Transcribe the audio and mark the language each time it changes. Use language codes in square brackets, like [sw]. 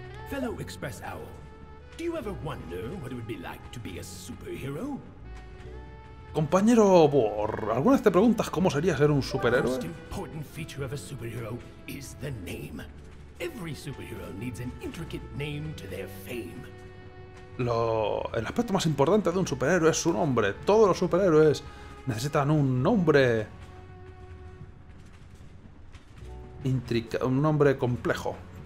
[en] Fellow Express Owl, do you ever wonder what it would be like to be a superhero? [es] Compañero Bor, ¿alguna vez te preguntas cómo sería ser un superhéroe? [en] The most important feature of a superhero is the name. Every superhero needs an intricate name to their fame. [es] El aspecto más importante de un superhéroe es su nombre. Todos los superhéroes necesitan un nombre un nombre complejo.